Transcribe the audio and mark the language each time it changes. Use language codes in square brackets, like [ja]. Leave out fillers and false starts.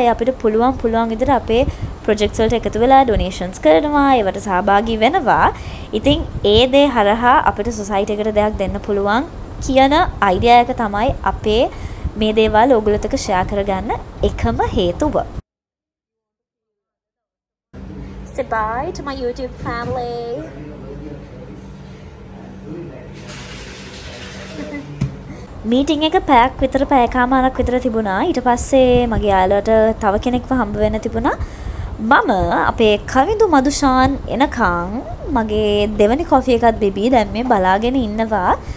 [si] ඒ අපිට පුළුවන් විදිහට අපේ ප්‍රොජෙක්ට්ස් වලට එකතු වෙලා ඩොනේෂන්ස් කරනවා, ඒවට සහභාගී වෙනවා. ඉතින් ඒ දේ හරහා අපිට සොසයිටි එකට දෙයක් දෙන්න පුළුවන් කියන අයිඩියා එක තමයි අපේ මේ දේවල් ඕගොල්ලෝ එක්ක ෂෙයා කරගන්න එකම හේතුව. [en] Say bye to my YouTube family. [si] Meeting එක පැයක් විතර පැයකමාරක් විතර තිබුණා. ඊට පස්සේ මගේ යාළුවට තව කෙනෙක්ව හම්බ වෙන්න තිබුණා. මම අපේ කවිඳු මදුෂාන් එනකන් මගේ දෙවනි කෝෆි එකත් බිබී දැන් මේ බලාගෙන ඉන්නවා.